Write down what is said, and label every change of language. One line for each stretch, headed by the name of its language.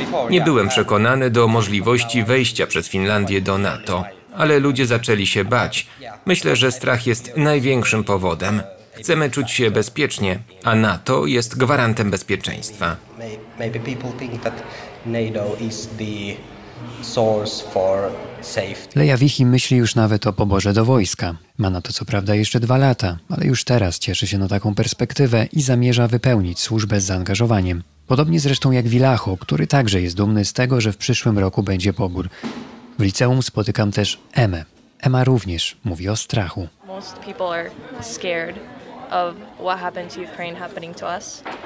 Polish: Nie byłem przekonany do możliwości wejścia przez Finlandię do NATO, ale ludzie zaczęli się bać. Myślę, że strach jest największym powodem. Chcemy czuć się bezpiecznie, a NATO jest gwarantem bezpieczeństwa.
English: Maybe people think that NATO is the source for
Polish: Leja Vihi myśli już nawet o poborze do wojska. Ma na to co prawda jeszcze 2 lata, ale już teraz cieszy się na taką perspektywę i zamierza wypełnić służbę z zaangażowaniem. Podobnie zresztą jak Vilacho, który także jest dumny z tego, że w przyszłym roku będzie pobór. W liceum spotykam też Emę. Emma również mówi o strachu.
English: Most people are scared of what happened to Ukraine happening to us.